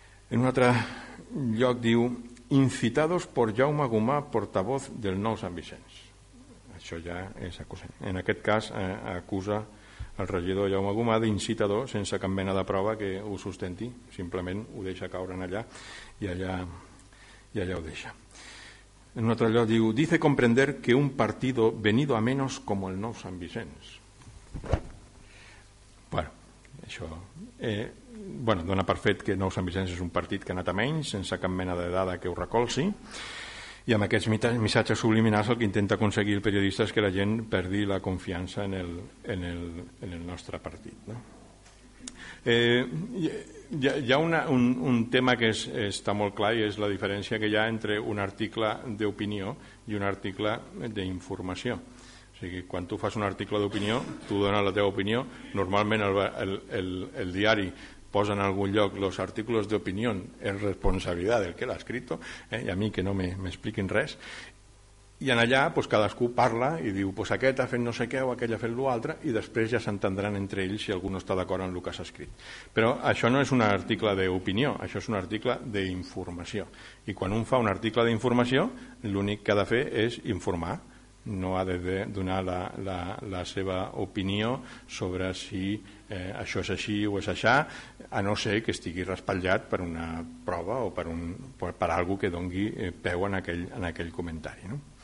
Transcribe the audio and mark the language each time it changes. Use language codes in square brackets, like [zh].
[ca] En un altre lloc diu... [es] incitados por Jaume Gumà, portavoz del Nou Sant Vicenç. [ca] Això ja és acusat. En aquest cas, acusa el regidor Jaume Gumà d'incitador sense cap mena de prova que ho sustenti. Simplement ho deixa caure allà i allà ho deixa. En un altre lloc diu, [es] dice comprender que un partido venido a menos como el Nou Sant Vicenç. [ca] Bueno, això... bueno, dona per fet que Nou Sant Vicenç és un partit que ha anat a menys, sense cap mena de dada que ho recolzi, i amb aquests missatges subliminals el que intenta aconseguir el periodista és que la gent perdi la confiança en el nostre partit, no? Hi ha un tema que està molt clar i és la diferència que hi ha entre un article d'opinió i un article d'informació. O sigui, quan tu fas un article d'opinió, tu dones la teva opinió. Normalment el diari posa en algun lloc [es] los artículos de opinión es responsabilidad del que l'ha escrito, [ca] i a mi que no m'expliquin res. I en allà pues, cadascú parla i diu pues, aquest ha fet no sé què o aquell ha fet l'altre, i després ja s'entendran entre ells si algú no està d'acord amb el que s'ha escrit. Però això no és un article d'opinió, això és un article d'informació. I quan un fa un article d'informació, l'únic que ha de fer és informar, no ha de donar la seva opinió sobre si això és així o és aixà, a no ser que estigui respatllat per una prova o per algú que doni peu en aquell comentari, no?